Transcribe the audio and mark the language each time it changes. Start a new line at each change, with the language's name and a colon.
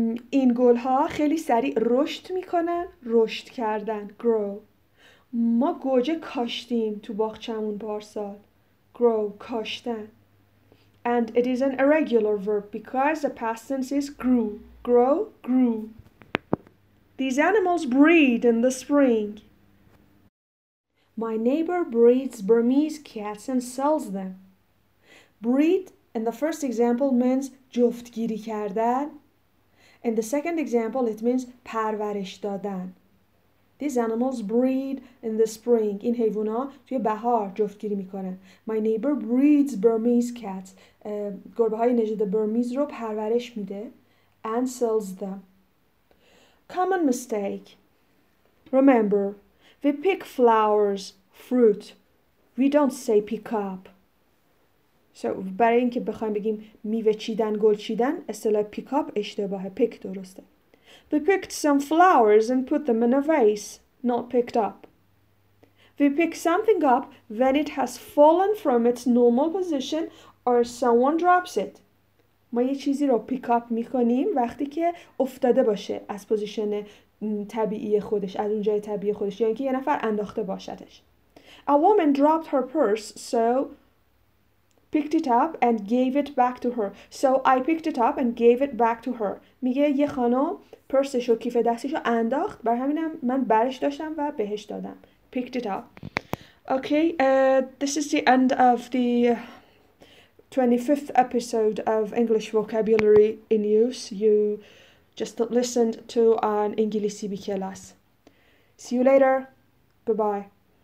Persian: این گل ها خیلی سریع رشد میکنن، رشد کردن، grow. ما گوجه کاشتیم تو باغچمون پارسال. Grow, کاشتن.
English: And it is an irregular verb because the past tense is grew. Grow, grew. These animals breed in the spring. My neighbor breeds Burmese cats and sells them. Breed in the first example means
Persian: جفتگیری کردن.
English: In the second example it means
Persian: پرورش دادن.
English: These animals breed in the spring.
Persian: این حیوانا توی بهار جفتگیری میکنن.
English: My neighbor breeds Burmese cats.
Persian: گربه های نژاد برمیز رو پرورش میده.
English: And sells them. Common mistake. Remember, we pick flowers, fruit. We don't say pick up.
Persian: So, برای این که بخوایم بگیم میوه چیدن، گل چیدن، اصطلاح pick up اشتباهه، pick درسته.
English: We picked some flowers and put them in a vase, not picked up. We pick something up when it has fallen from its normal position or someone drops it.
Persian: ما یه چیزی رو pick up میکنیم وقتی که افتاده باشه از پوزیشن طبیعی خودش، از اونجای طبیعی خودش، یعنی که یه نفر انداخته باشدش.
English: A woman dropped her purse, so picked it up and gave it back to her. So I picked it up and gave it back to her.
Persian: میگه یه خانم پرسش و کیف دستش رو انداخت، بر همینم من برش داشتم و بهش دادم.
English: Picked it up. Okay, this is the end of the 25th episode of English Vocabulary in Use. You just listened to an English CB class. See you later. Goodbye.